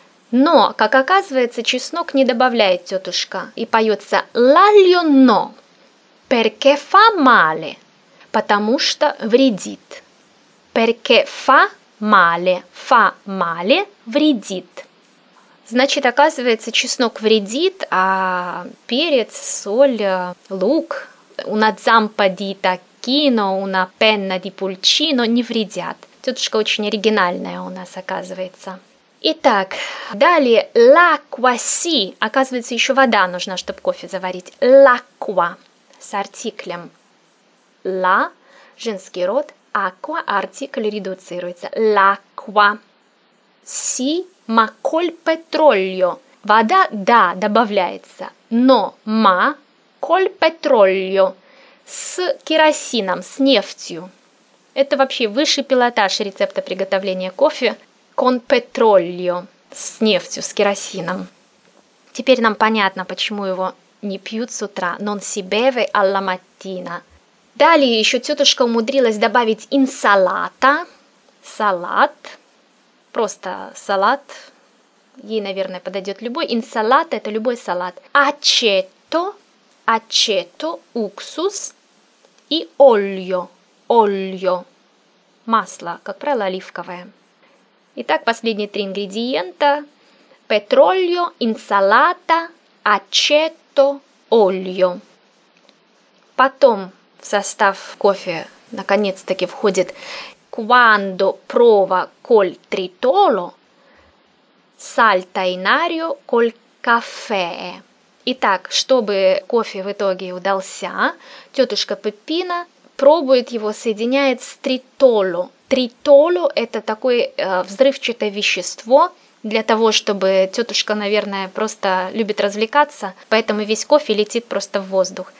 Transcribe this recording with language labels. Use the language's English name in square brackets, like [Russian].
[Russian] Но, как оказывается, чеснок не добавляет тетушка, и поется лальо но, [Italian] perché fa male, [Russian] потому что вредит. [Italian] Perché fa male, [Russian] вредит. Значит, оказывается, чеснок вредит, а перец, соль, лук, [Italian] una zampa di tacchino, una penna di pulcino [Russian] не вредят. Тетушка очень оригинальная у нас, оказывается. Итак, далее [Italian] l'acqua si. [Russian] Оказывается, еще вода нужна, чтобы кофе заварить. [Italian] L'acqua [Russian] с артиклем. La, женский род, aqua, артикль редуцируется. [Italian] L'acqua. Si. Ma col petrolio. [Russian] Вода, да, добавляется, но [Italian] ma col petrolio. [Russian] С керосином, с нефтью. Это вообще высший пилотаж рецепта приготовления кофе. [Italian] Con petrolio. [Russian] С нефтью, с керосином. Теперь нам понятно, почему его не пьют с утра. [Italian] Non si beve alla mattina. [Russian] Далее еще тетушка умудрилась добавить insalata. Салат. Просто салат. Ей, наверное, подойдет любой. Инсалата – это любой салат. [Italian] Ачето. Ачето – уксус. И ольо. Ольо. [Russian] Масло, как правило, оливковое. Итак, последние три ингредиента. [Italian] Петрольо, инсалата, ачето, ольо. [Russian] Потом в состав кофе, наконец-таки, входит [Italian] «Quando prova col tritolo, salta in aria col caffè». [Russian] Итак, чтобы кофе в итоге удался, тетушка Пеппина пробует его, соединяет с тритолу. Тритолу – это такое взрывчатое вещество для того, чтобы тетушка, наверное, просто любит развлекаться, поэтому весь кофе летит просто в воздух.